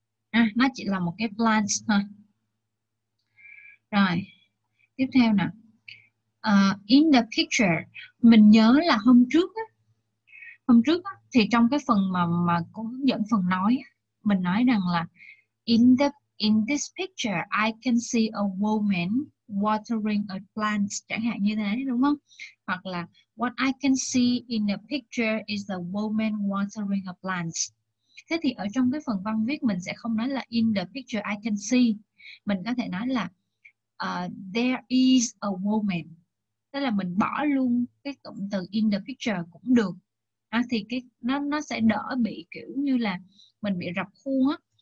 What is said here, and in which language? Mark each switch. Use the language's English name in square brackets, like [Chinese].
[Vietnamese] À, nó chỉ là một cái plant thôi. Rồi tiếp theo nè, [English] in the picture, [Vietnamese] mình nhớ là hôm trước á, thì trong cái phần mà cô hướng dẫn phần nói, mình nói rằng là [English] in this picture I can see a woman watering a plant, [Vietnamese] chẳng hạn như thế đúng không? Hoặc là [English] what I can see in the picture is the woman watering a plant. [Vietnamese] Thế thì ở trong cái phần văn viết mình sẽ không nói là [English] in the picture I can see, [Vietnamese] mình có thể nói là [English] there is a woman. [Vietnamese] Tức là mình bỏ luôn cái cụm từ [English] in the picture [Vietnamese] cũng được. À, thì cái nó sẽ đỡ bị kiểu như là mình bị rập khuôn á.